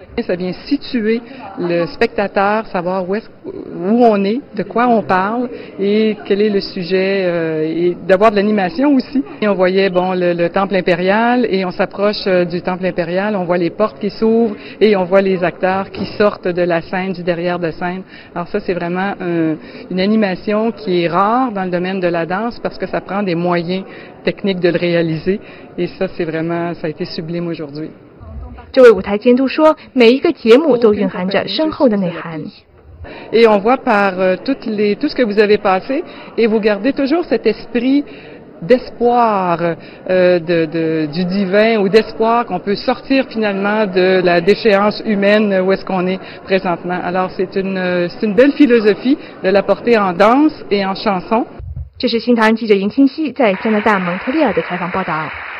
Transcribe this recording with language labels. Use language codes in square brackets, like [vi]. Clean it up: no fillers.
[fr] Ça vient situer le spectateur, savoir où on est, de quoi on parle et quel est le sujet, et d'avoir de l'animation aussi. Et on voyait bon, le temple impérial et on s'approche du temple impérial, on voit les portes qui s'ouvrent et on voit les acteurs qui sortent de la scène, du derrière de scène. Alors ça, c'est vraiment une animation qui est rare dans le domaine de la danse parce que ça prend des moyens techniques de le réaliser. Et ça, c'est vraiment, ça a été sublime aujourd'hui. [zh] 这位舞台监督说，每一个节目都蕴含着深厚的内涵。 [fr] Et on voit par tout ce que vous avez passé, et vous gardez toujours cet esprit d'espoir, du divin ou d'espoir qu'on peut sortir finalement de la déchéance humaine où est-ce qu'on est présentement. Alors c'est une belle philosophie de la porter en danse et en chanson. [zh] 这是新唐人记者尹清溪在加拿大蒙特利尔的采访报道。